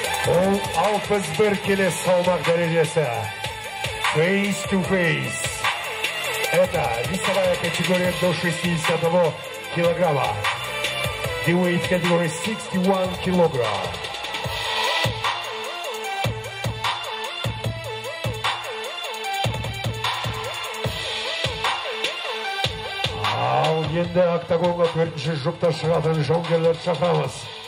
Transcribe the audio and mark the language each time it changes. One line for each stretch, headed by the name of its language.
Kazakh: Ол 61 келі салмақ дәрежесі.
English: Face to face.
Russian: Это весовая категория до 61 килограмма.
English: The weight category 61 килограмм.
Kazakh: Ал енді октагонға 4-ші жұпта шығатын жауынгерлер шақырамыз.